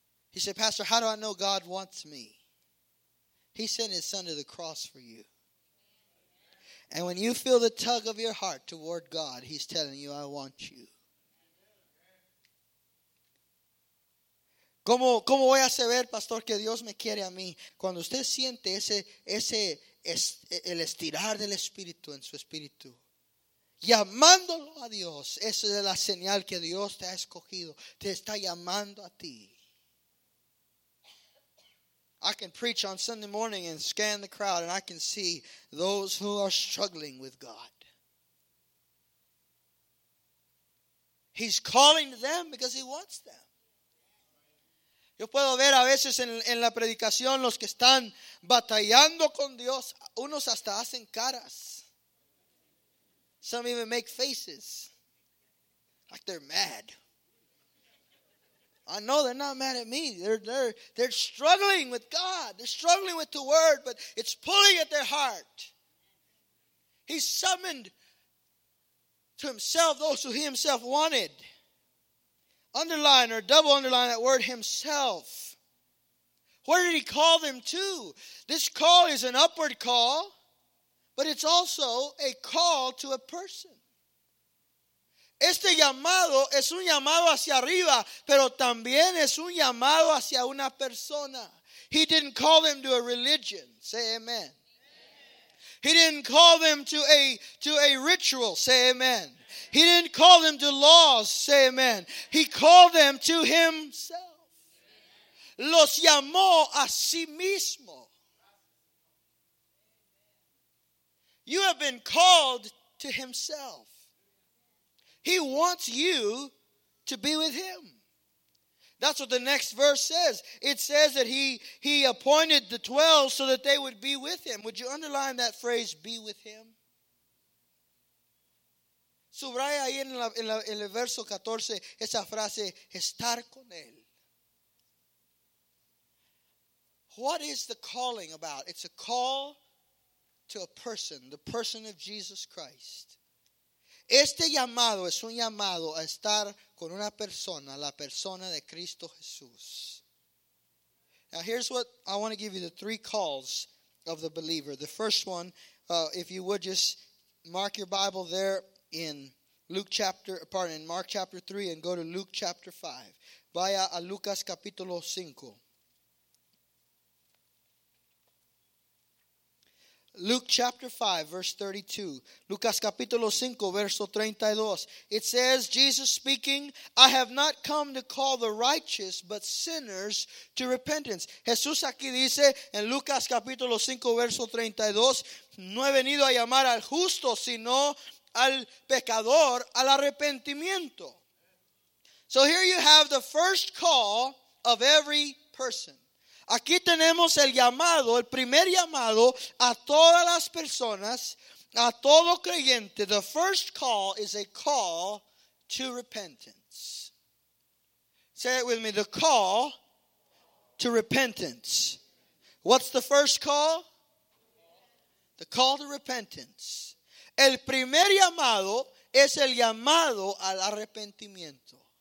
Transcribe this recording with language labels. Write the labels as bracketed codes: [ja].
[en] He said, Pastor, how do I know God wants me? He sent his son to the cross for you. And when you feel the tug of your heart toward God, he's telling you, I want you. [es] ¿Cómo voy a saber, pastor, que Dios me quiere a mí? Cuando usted siente el estirar del espíritu en su espíritu, llamándolo a Dios, esa es la señal que Dios te ha escogido, te está llamando a ti. [en] I can preach on Sunday morning and scan the crowd and I can see those who are struggling with God. He's calling them because he wants them. [es] Yo puedo ver a veces en la predicación los que están batallando con Dios. Unos hasta hacen caras. [en] Some even make faces. Like they're mad. I know they're not mad at me. They're struggling with God. They're struggling with the word, but it's pulling at their heart. He summoned to himself those who he himself wanted. Underline or double underline that word himself. Where did he call them to? This call is an upward call, but it's also a call to a person. [es] Este llamado es un llamado hacia arriba, pero también es un llamado hacia una persona. [en] He didn't call them to a religion. Say amen. Amen. He didn't call them to a ritual. Say amen. He didn't call them to laws, say amen. He called them to himself. [es] Los llamó a sí mismo. [en] You have been called to himself. He wants you to be with him. That's what the next verse says. It says that he appointed the 12 so that they would be with him. Would you underline that phrase, be with him? [es] Subraya ahí en el verso 14 esa frase, estar con él. [en] What is the calling about? It's a call to a person, the person of Jesus Christ. [es] Este llamado es un llamado a estar con una persona, la persona de Cristo Jesús. [en] Now here's what I want to give you, the three calls of the believer. The first one, if you would just mark your Bible there in Mark chapter 3 and go to Luke chapter 5. [es] Vaya a Lucas capítulo 5. [en] Luke chapter 5, verse 32. [es] Lucas capítulo 5, verso 32. [en] It says, Jesus speaking, I have not come to call the righteous, but sinners to repentance. [es] Jesús aquí dice, en Lucas capítulo 5, verso 32, no he venido a llamar al justo, sino al pecador, al arrepentimiento. [en] So here you have the first call of every person. [es] Aquí tenemos el llamado, el primer llamado a todas las personas, a todo creyente. [en] The first call is a call to repentance. Say it with me, the call to repentance. What's the first call? The call to repentance. [es] El primer llamado es el llamado al arrepentimiento.